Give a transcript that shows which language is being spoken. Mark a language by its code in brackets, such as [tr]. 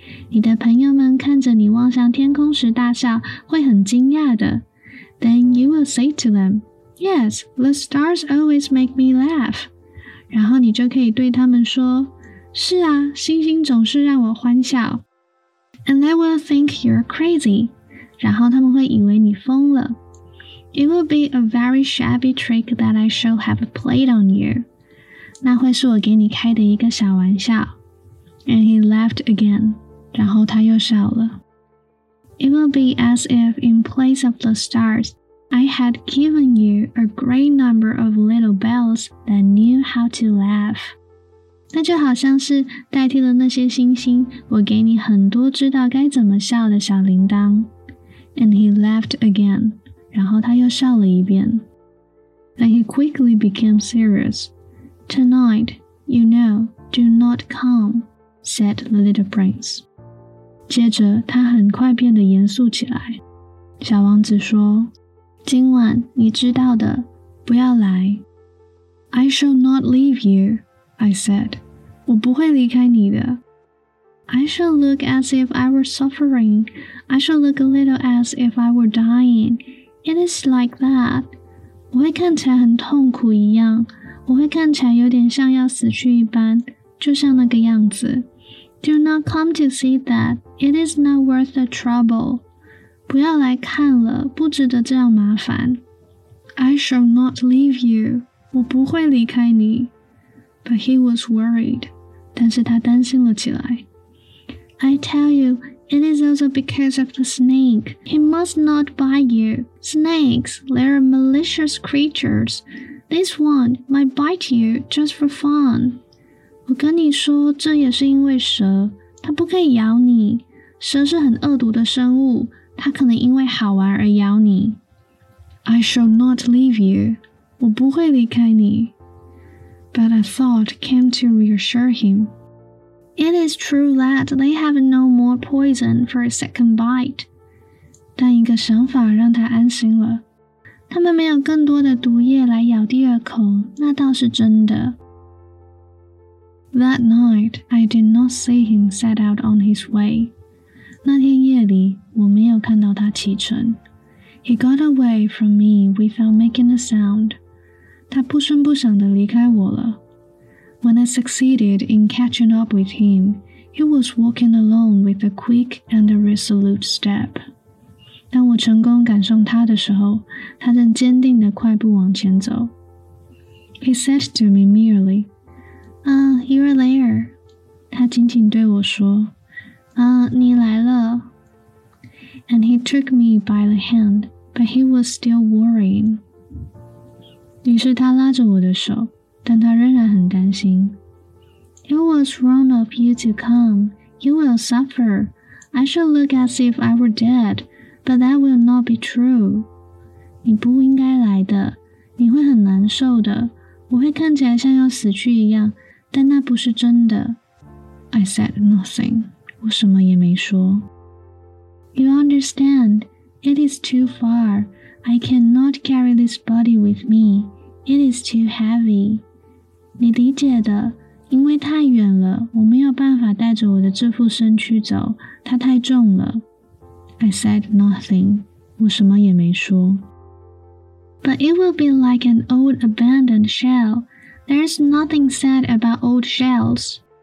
[zh] 你的朋友们看着你望向天空时大笑，会很惊讶的。 [en] Then you will say to them, Yes, the stars always make me laugh. [zh] 然后你就可以对他们说，是啊，星星总是让我欢笑。 [en] And they will think you're crazy. [zh] 然后他们会以为你疯了。 [en] It will be a very shabby trick that I shall have played on you. [zh] 那会是我给你开的一个小玩笑。 [en] And he laughed again. [zh] 然后他又笑了。 [en] It will be as if in place of the stars, I had given you a great number of little bells that knew how to laugh. [zh] 那就好像是代替了那些星星，我给你很多知道该怎么笑的小铃铛。 [en] And he laughed again. [zh] 然后他又笑了一遍。 [en] Then he quickly became serious. Tonight, you know, do not come, said the little prince. [zh] 接着他很快变得严肃起来。小王子说，今晚你知道的，不要来。 [en] I shall not leave you, I said. [zh] 我不会离开你的。 [en] I shall look as if I were suffering. I shall look a little as if I were dying. It is like that. [zh] 我会看起来很痛苦一样，我会看起来有点像要死去一般，就像那个样子。 [en] Do not come to see that. It is not worth the trouble. [zh] 不要来看了，不值得这样麻烦。 [en] I shall not leave you. [zh] 我不会离开你。 [en] But he was worried. [zh] 但是他担心了起来。 [en] I tell you,It is also because of the snake. He must not bite you. Snakes, they are malicious creatures. This one might bite you just for fun. [zh] 我跟你说，这也是因为蛇，它不可以咬你。蛇是很恶毒的生物，它可能因为好玩而咬你。 [en] I shall not leave you. [zh] 我不会离开你。 [en] But a thought came to reassure him. It is true that they have no more poison for a second bite. [zh] 但一个想法让他安心了。他们没有更多的毒液来咬第二口，那倒是真的。 [en] That night, I did not see him set out on his way. [zh] 那天夜里，我没有看到他启程。 [en] He got away from me without making a sound. [zh] 他不声不响地离开我了。 [en] When I succeeded in catching up with him, he was walking alone with a quick and a resolute step. [zh] 当我成功赶上他的时候，他正坚定地快步往前走。 [en] He said to me merely, Ah, you are there. [zh] 他仅仅对我说， Ah, 你来了。 [en] And he took me by the hand, but he was still worrying. [zh] 于是他拉着我的手。但他仍然很担心。 [en] It was wrong of you to come. You will suffer. I shall look as if I were dead, but that will not be true. [zh] 你不应该来的，你会很难受的。我会看起来像要死去一样，但那不是真的。 [en] I said nothing. [zh] 我什么也没说。 [en] You understand? It is too far. I cannot carry this body with me. It is too heavy. [zh] 你理解的，因为太远了，我没有办法带着我的这副身躯走，它太重了。 [en] I said nothing. [zh] 我什么也没说。 [en] But it will be like an old abandoned shell. There's nothing sad about old shells.